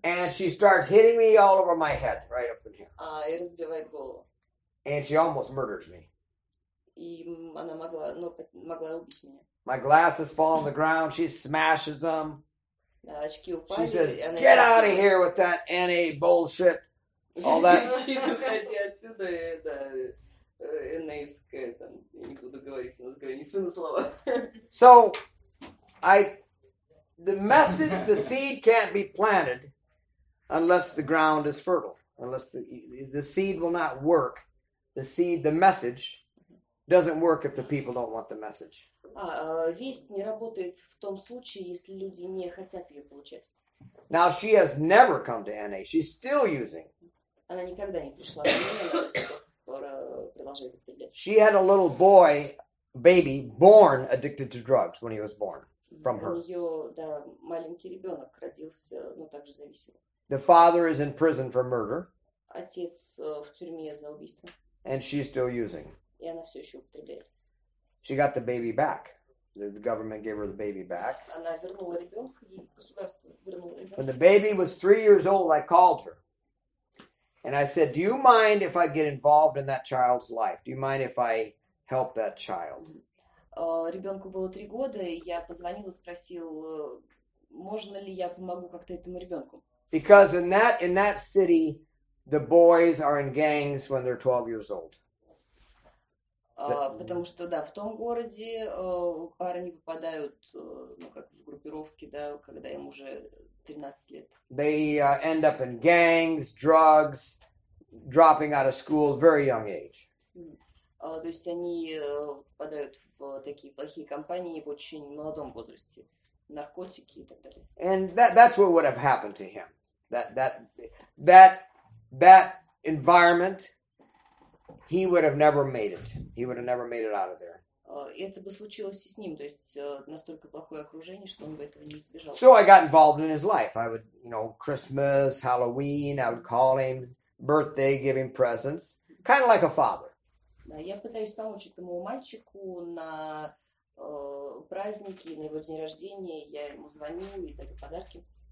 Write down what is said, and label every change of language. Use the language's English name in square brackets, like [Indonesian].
[English] And she starts hitting me all over my head, right up in here. [Russian] И разбивает голову. [English] And she almost murders me. [Russian] И она могла, ну, могла убить меня. [English] My glasses fall on the ground. She smashes them. [Russian] Да, очки упали. [English] She says, get out of here with that NA bullshit. All that. [Russian] Уходи отсюда, да. НАевская, там, я не буду говорить, у нас границы на слова. [English] So, the message, the seed can't be planted unless the ground is fertile. Unless the seed will not work. The seed, the message, doesn't work if the people don't want the message. [Russian] Весть не работает в том случае, если люди не хотят ее получать. [English] Now she has never come to NA. She's still using. [Russian] Она никогда не пришла. Она продолжает употреблять. [English] She had a little boy, baby, born addicted to drugs when he was born from her. [Russian] У нее, да, маленький ребенок родился, но также зависел. [English] The father is in prison for murder. [Russian] Отец в тюрьме за убийство. [English] And she's still using. [Russian] И она все еще употребляет. [English] She got the baby back. The government gave her the baby back. [Russian] Она вернула ребенка, и государство вернуло ребенка. [English] When the baby was 3 years old, I called her. And I said, do you mind if I get involved in that child's life? Do you mind if I help that child? [Russian] Ребенку было 3 года, и я позвонила, спросила, можно ли я помогу как-то этому ребенку? [English] Because in that city, the boys are in gangs when they're 12 years old. [Russian] Потому что, да, в том городе парни попадают, ну, как в группировки, да, когда им уже 13 лет. [English] They end up in gangs, drugs, dropping out of school at very young age. [Russian] То есть они попадают в такие плохие компании в очень молодом возрасте. Наркотики и так далее. [English] And that's what would have happened to him. That environment, he would have never made it. He would have never made it out of there. [Russian] Это бы случилось и с ним, то есть настолько плохое окружение, что он бы этого не избежал. [English] So I got involved in his life. I would, you know, Christmas, Halloween, I would call him, birthday, give him presents, kind of like a father. [Russian] Да, я пытаюсь помочь этому мальчику на праздники, на его день рождения, я ему звоню и даю подарки.